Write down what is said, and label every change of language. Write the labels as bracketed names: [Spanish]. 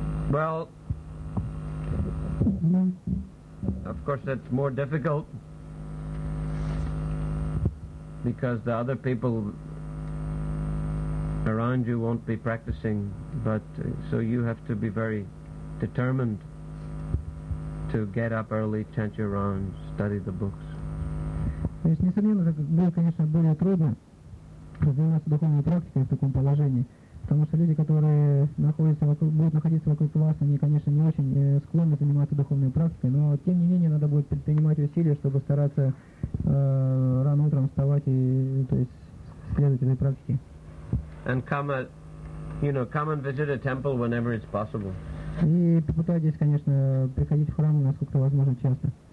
[English] Well, of course that's more difficult because the other people around you won't be practicing, but so you have to be very determined to get up early, chant your rounds, study the books. [Russian] То есть, несомненно, это было, конечно, более трудно заниматься духовной практикой в таком положении, потому что люди, которые находятся вокруг, будут находиться вокруг вас, они, конечно, не очень склонны заниматься духовной практикой, но, тем не менее, надо будет предпринимать усилия, чтобы стараться рано утром вставать и, то есть, следовать этой практике. [English] And come, you know, come and visit a temple whenever it's possible. [Russian] И попытайтесь, конечно, приходить в храм, насколько возможно, часто.